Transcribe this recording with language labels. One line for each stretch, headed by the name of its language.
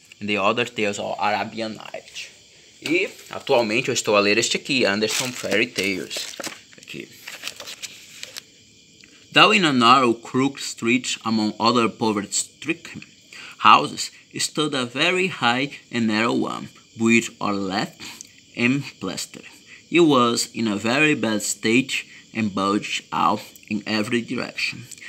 English: The Other Tales of Arabian Nights.
Portuguese: E atualmente eu estou a ler este aqui.
English: Anderson Fairy Tales.
Portuguese: Aqui.
English: Down in a narrow, crooked street among other poverty-stricken houses stood a very high and narrow one, built of lath and plaster. It was in a very bad state and bulged out in every direction.